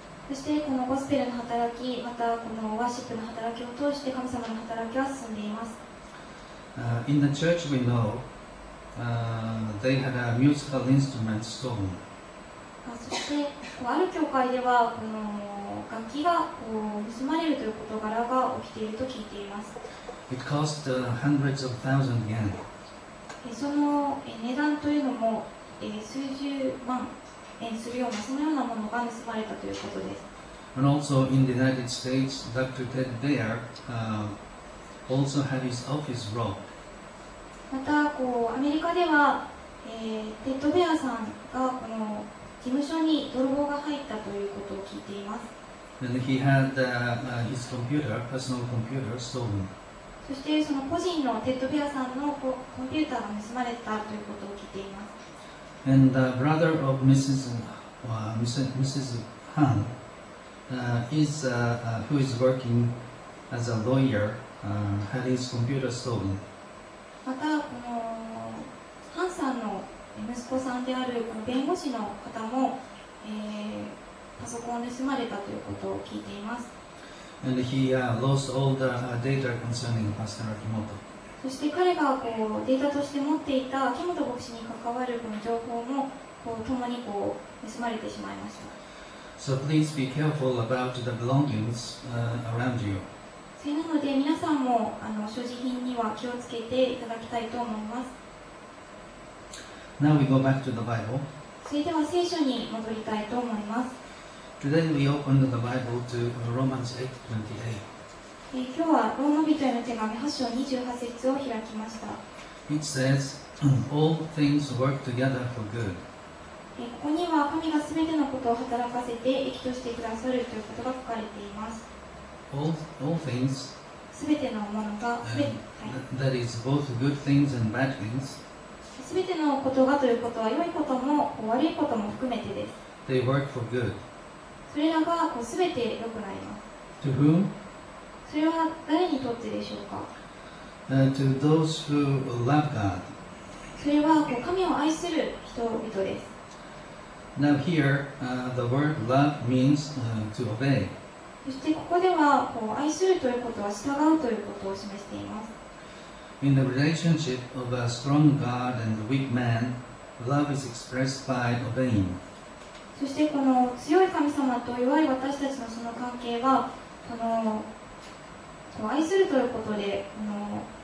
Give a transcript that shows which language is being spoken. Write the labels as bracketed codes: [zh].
[ja] そしてこのゴスペルの働き、またこのワーシップの働きを通して神様の働きは進んでいます。 [en] In the church we know, they had a musical instrument stolen. [ja] そしてこうある教会ではこの楽器がこう盗まれるという事柄が起きていると聞いています。 [en] It cost, hundreds of thousand yen. [ja] その値段というのも、数十万円するようなそのようなものが盗まれたということです。 [en] And also in the United States, Dr. Ted Baer, also had his office robbed. [ja] またこうアメリカでは、テッド・ベアさんがこの事務所に泥棒が入ったということを聞いています。 [en] And he had, his computer, personal computer, stolen. [ja] そしてその個人のテッドベアさんのコンピューターが盗まれたということを聞いています。 [en] And the brother of Mrs. Mrs. Han, is, who is working as a lawyer, had his computer stolen. [ja] またこのハンさんの息子さんであるこの弁護士の方も、パソコンを盗まれたということを聞いています。 [en] And he, lost all the, data concerning Pastor Akimoto. [ja] そして彼がこうデータとして持っていた秋元牧師に関わるこの情報もこう共にこう盗まれてしまいました。 [en] So please be careful about the belongings, around you. [ja] それなので皆さんもあの所持品には気をつけていただきたいと思います。 [en] Now we go back to the Bible. [ja] それでは聖書に戻りたいと思います。 [en] Today we opened the Bible to Romans 8:28. [ja] 今日はローマ人への手紙8章28節を開きました。 [en] It says, "All things work together for good." [ja] ここには神がすべてのことを働かせて益としてくださるということが書かれています。 [en] All things. [ja] すべてのものが、 [en] That is both good things and bad things. [ja] すべてのことがということは良いことも悪いことも含めてです。 [en] They work for good. [ja] それらがこう全て良くなります。 [en] To whom? [ja] それは誰にとってでしょうか。 [en] To those who love God. [ja] それはこう神を愛する人々です。 [en] Now here, the word love means, to obey. [ja] そしてここではこう愛するということは従うということを示しています。 [en] In the relationship of a strong God and a weak man, love is expressed by obeying. [ja] そしてこの強い神様と弱い私たちのその関係はこの愛するということでこの、